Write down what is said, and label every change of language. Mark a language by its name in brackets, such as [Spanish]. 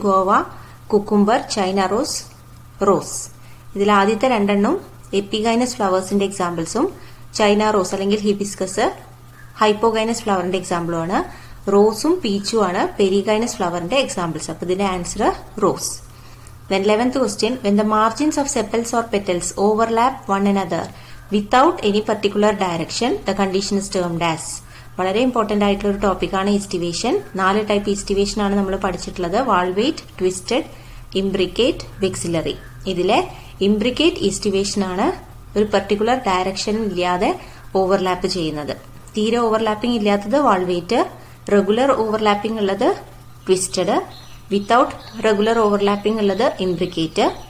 [English] Guava, cucumber, china rose, rose. [Malayalam] ഇതിൽ ആദ്യത്തെ രണ്ടെണ്ണം എപ്പിഗൈനസ് ഫ്ലവേഴ്സിന്റെ എക്സാമ്പിൾസും ചൈന റോസ് അല്ലെങ്കിൽ ഹിബിസ്കസ് ഹൈപ്പോകൈനസ് ഫ്ലവറിന്റെ എക്സാമ്പിളുമാണ്. റോസും പീച്ചും ആണ് പെരിഗൈനസ് ഫ്ലവറിന്റെ എക്സാമ്പിൾസ്. അപ്പൊ ഇതിന്റെ answer rose. [English] Then 11th question, when the margins of sepals or petals overlap one another without any particular direction, the condition is termed as. [Malayalam] വളരെ important ആയിട്ടുള്ള ഒരു ടോപ്പിക്കാണ് aestivation. നാല് ടൈപ്പ് ഈസ്റ്റിവേഷൻ ആണ് നമ്മൾ പഠിച്ചിട്ടുള്ളത്, വാൾവേറ്റ്, ട്വിസ്റ്റഡ്, ഇംബ്രിക്കേറ്റ്, വെക്സിലറി. ഇതിലെ ഇംബ്രിക്കേറ്റ് ഈസ്റ്റിവേഷൻ ആണ് ഒരു പെർട്ടിക്കുലർ ഡയറക്ഷൻ ഇല്ലാതെ ഓവർലാപ്പ് ചെയ്യുന്നത്. തീരെ ഓവർലാപ്പിംഗ് ഇല്ലാത്തത് വാൾവേറ്റ്, റെഗുലർ ഓവർലാപ്പിംഗ് ഉള്ളത് ട്വിസ്റ്റഡ്, വിത്തൌട്ട് റെഗുലർ ഓവർലാപ്പിംഗ് ഉള്ളത് ഇംബ്രിക്കേറ്റ്.